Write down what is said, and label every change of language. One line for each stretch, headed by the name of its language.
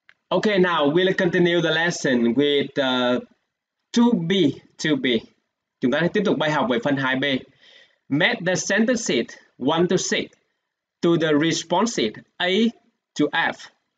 English: Okay, now we'll continue the lesson with 2B. 2B.
Vietnamese: Chúng ta sẽ tiếp tục bài học với phần 2B.
English: Match the sentences 1 to 6 to the responses A to F.